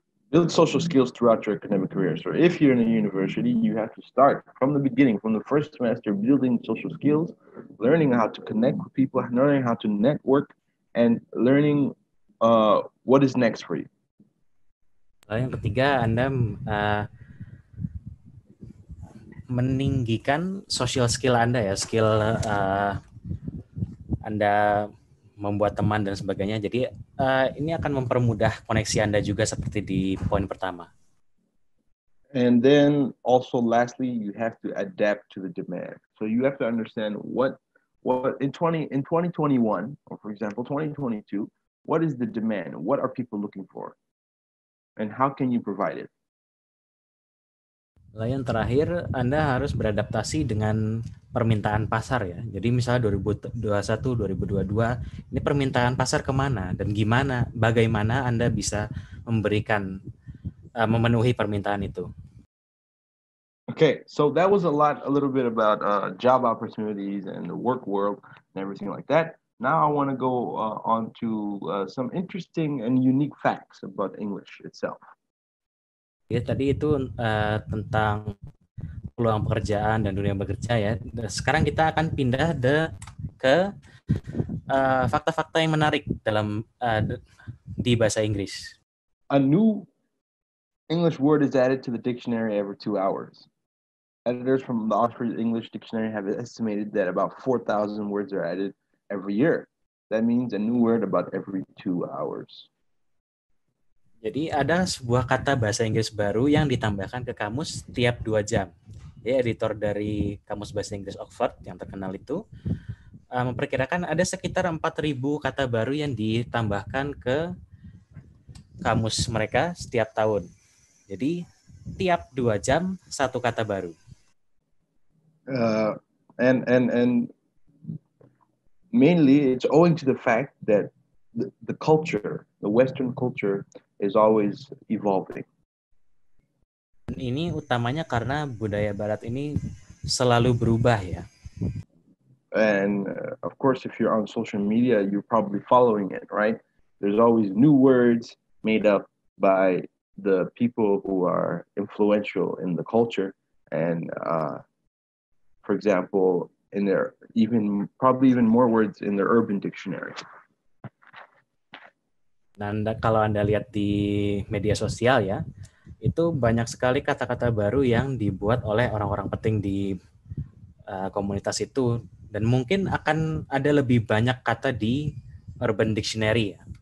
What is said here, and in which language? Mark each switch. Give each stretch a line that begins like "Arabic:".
English: Build social skills throughout your academic career. So if you're in a university, you have to start from the beginning, from the first semester, building social skills, learning how to connect with people, learning how to network, and learning what is next for you.
Indonesian: Yang ketiga, Anda meninggikan social skill Anda ya, skill Anda membuat teman dan sebagainya. Jadi ini akan mempermudah koneksi Anda juga seperti di poin pertama.
English: And then also lastly, you have to adapt to the demand. So you have to understand what in 2021, or for example 2022, what is the demand? What are people looking for? And how can you provide it?
Indonesian: Lalu yang terakhir, Anda harus beradaptasi dengan permintaan pasar ya. Jadi misalnya 2021, 2022, ini permintaan pasar kemana dan gimana, bagaimana Anda bisa memberikan, memenuhi permintaan itu.
English: Okay, so that was a little bit about job opportunities and the work world and everything like that. Now I want to go on to some interesting and unique facts about English itself.
Indonesian: Ya, tadi itu tentang peluang pekerjaan dan dunia bekerja ya. Sekarang kita akan pindah ke fakta-fakta yang menarik dalam di bahasa Inggris.
English: A new English word is added to the dictionary every 2 hours. Editors from the Oxford English Dictionary have estimated that about 4,000 words are added every year. That means a new word about every 2 hours.
Indonesian: Jadi ada sebuah kata bahasa Inggris baru yang ditambahkan ke kamus setiap 2 jam. Jadi editor dari kamus bahasa Inggris Oxford yang terkenal itu memperkirakan ada sekitar 4.000 kata baru yang ditambahkan ke kamus mereka setiap tahun. Jadi tiap 2 jam satu kata baru.
English: And mainly it's owing to the fact that the culture, the Western culture, is always evolving.
Indonesian: Ini utamanya karena budaya barat ini selalu berubah ya.
English: And of course if you're on social media you're probably following it, right? There's always new words made up by the people who are influential in the culture and for example in their even more words in their urban dictionary.
Indonesian: Dan kalau Anda lihat di media sosial ya, itu banyak sekali kata-kata baru yang dibuat oleh orang-orang penting di komunitas itu. Dan mungkin akan ada lebih banyak kata di Urban Dictionary ya.